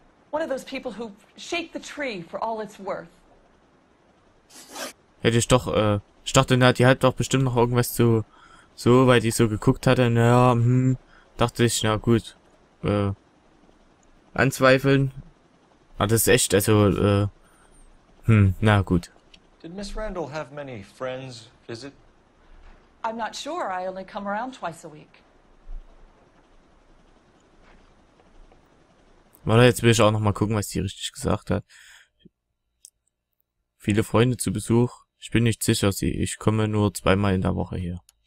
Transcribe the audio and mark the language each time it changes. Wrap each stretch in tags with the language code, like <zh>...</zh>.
<en>One of those people who shake the tree for all it's worth.</en> <de>Hätte ich doch, ich dachte, na, die hat doch bestimmt noch irgendwas zu. So, weil die so geguckt hatte, naja, dachte ich, na gut, anzweifeln. Aber das ist echt, also, na gut.</de> <en>Did Miss Randall have many friends visit? I'm not sure, I only come around twice a week.</en> <de>Warte, jetzt will ich auch nochmal gucken, was die richtig gesagt hat. Viele Freunde zu Besuch, ich bin nicht sicher, ich komme nur zweimal in der Woche hier.</de>